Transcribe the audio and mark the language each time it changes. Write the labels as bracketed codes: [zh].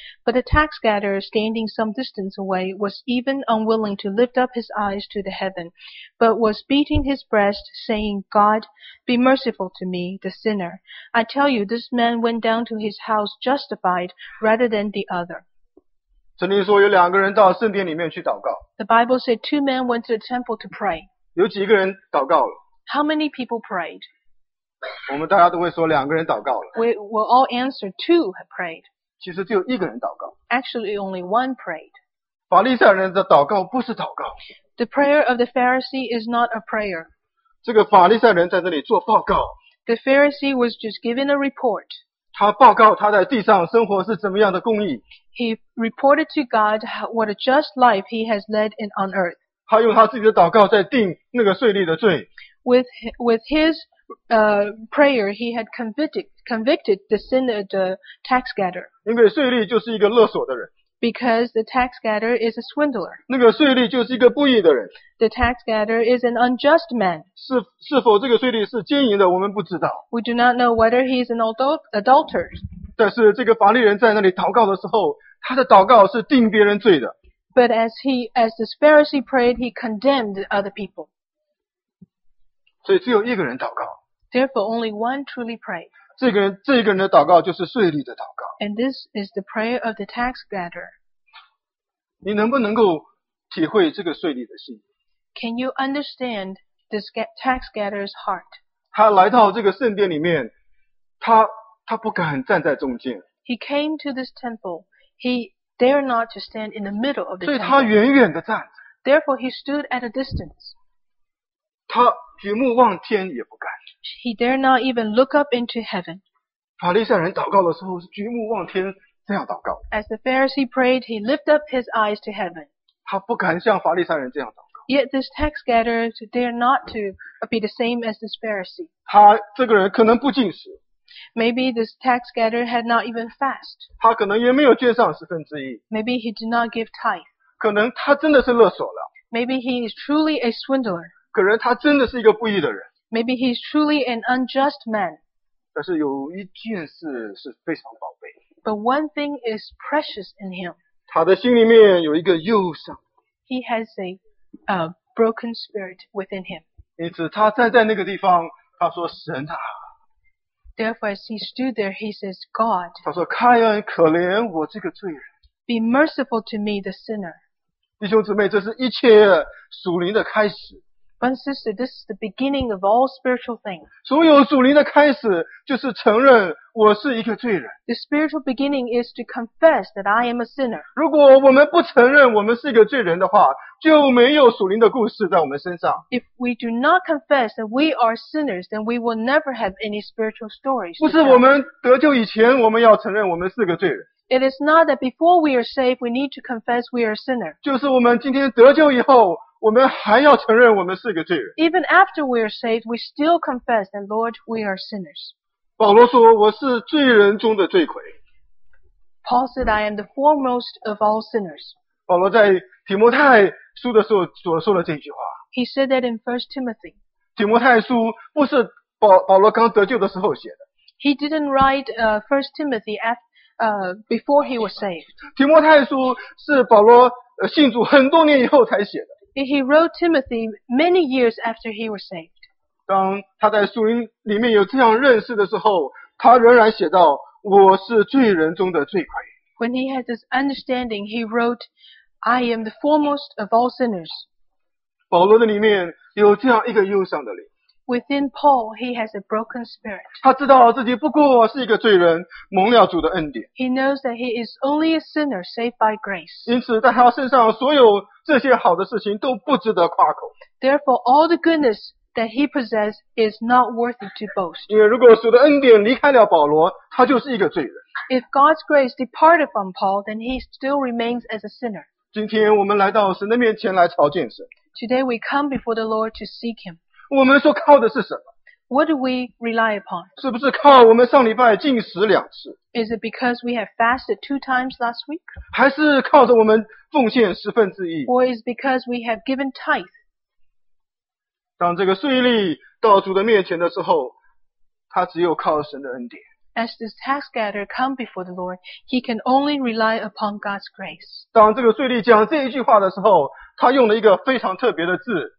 [en] But the tax gatherer, standing some distance away, was even unwilling to lift up his eyes to the heaven, but was beating his breast, saying, God, be merciful to me, the sinner. I tell you, this man went down to his house justified rather than the other. [zh] 曾经说有两个人到圣殿里面去祷告。 [en] The Bible said two men went to the temple to pray. [zh] 有几个人祷告了 [en] ？How many people prayed？ [zh] 我们大家都会说两个人祷告了。 [en] We will all answer two have prayed。 [zh] 其实只有一个人祷告。 [en] Actually, only one prayed。 [zh] 法利赛人的祷告不是祷告。 [en] The prayer of the Pharisee is not a prayer。 [zh] 这个法利赛人在这里做报告。 [en] The Pharisee was just giving a report。 [zh] 他报告他在地上生活是怎么样的公义。 [en] He reported to God what a just life he has led in on earth。 [zh] 他用他自己的祷告在定那个税吏的罪。 [en] With his prayer, he had convicted the sinner, the tax gatherer. [zh] 因为税吏就是一个勒索的人。 [en] Because the tax gatherer is a swindler. [zh] 那个税吏就是一个不义的人。 [en] The tax gatherer is an unjust man. [zh] 是否这个税吏是奸淫的，我们不知道。 [en] We do not know whether he is an adulterer. [zh] 但是这个法利人在那里祷告的时候，他的祷告是定别人罪的。 [en] But as this Pharisee prayed, he condemned other people. [zh] 所以只有一个人祷告。 [en] Therefore, only one truly prayed. [zh] 这个人的祷告就是税吏的祷告。 [en] And this is the prayer of the tax gatherer. [zh] 你能不能够体会这个税吏的心？ [en] Can you understand this tax gatherer's heart? [zh] 他来到这个圣殿里面，他不敢站在中间。 [en] He came to this temple. He dare not to stand in the middle of the temple. [zh] 所以他远远地站着。 [en] Therefore, he stood at a distance. [zh] 他举目望天也不敢。 [en] He dare not even look up into heaven. [zh] 法利赛人祷告的时候是举目望天这样祷告。 [en] As the Pharisee prayed, he lifted up his eyes to heaven. [zh] 他不敢像法利赛人这样祷告。 [en] Yet this tax gatherer dare not to be the same as this Pharisee. [zh] 他这个人可能不进食。 [en] Maybe this tax gatherer had not even fast. [zh] 他可能也没有捐上十分之一。 [en] Maybe he did not give tithe. [zh] 可能他真的是勒索了。 [en] Maybe he is truly a swindler. [zh] 可能他真的是一个不义的人。 [en] Maybe he is truly an unjust man. [zh] 但是有一件事是非常宝贝。 [en] But one thing is precious in him. [zh] 他的心里面有一个忧伤。 [en] He has a broken spirit within him. [zh] 因此他站在那个地方，他说，神啊。 [en] Therefore, as he stood there, he says, God, [zh] 他说，开恩，可怜我这个罪人。 [en] Be merciful to me, the sinner. [zh] 弟兄姊妹，这是一切属灵的开始。 [en] But sister, this is the beginning of all spiritual things. [zh] 所有属灵的开始就是承认我是一个罪人。 [en] The spiritual beginning is to confess that I am a sinner. [zh] 如果我们不承认我们是一个罪人的话，就没有属灵的故事在我们身上。 [en] If we do not confess that we are sinners, then we will never have any spiritual stories. [zh] 不是我们得救以前我们要承认我们是个罪人。 [en] It is not that before we are saved, we need to confess we are a sinner. [zh] 就是我们今天得救以后，我们还要承认我们是个罪人。 [en] Even after we are saved, we still confess that, Lord, we are sinners. [zh] 保罗说，我是罪人中的罪魁。 [en] Paul said, I am the foremost of all sinners. [zh] 保罗在提摩太书的时候所说的这句话。 [en] He said that in 1 Timothy. [zh] 提摩太书不是保罗刚得救的时候写的。 [en] He didn't write First Timothy before he was saved. [zh] 提摩太书是保罗信主很多年以后才写的。 [en] He wrote Timothy many years after he was saved. [zh] 当他在树林里面有这样认识的时候，他仍然写到我是罪人中的罪魁。 [en] When he had this understanding, he wrote, I am the foremost of all sinners. [zh] 保罗的里面有这样一个忧伤的灵。 [en] Within Paul, he has a broken spirit. [zh] 他知道自己不过是一个罪人，蒙了主的恩典。 [en] He knows that he is only a sinner saved by grace. [zh] 因此在他身上所有这些好的事情都不值得夸口。 [en] Therefore, all the goodness that he possesses is not worthy to boast. [zh] 因为如果主的恩典离开了保罗，他就是一个罪人。 [en] If God's grace departed from Paul, then he still remains as a sinner. [zh] 今天我们来到神的面前来朝见神。 [en] Today we come before the Lord to seek him. [zh] 我们所靠的是什么？ [en] What do we rely upon? [zh] 是不是靠我们上礼拜禁食两次？ [en] Is it because we have fasted two times last week? [zh] 还是靠着我们奉献十分之一？ [en] Or is it because we have given tithe? [zh] 当这个税吏到主的面前的时候，他只有靠神的恩典。 [en] As this tax gatherer come before the Lord, he can only rely upon God's grace. [zh] 当这个税吏讲这一句话的时候，他用了一个非常特别的字。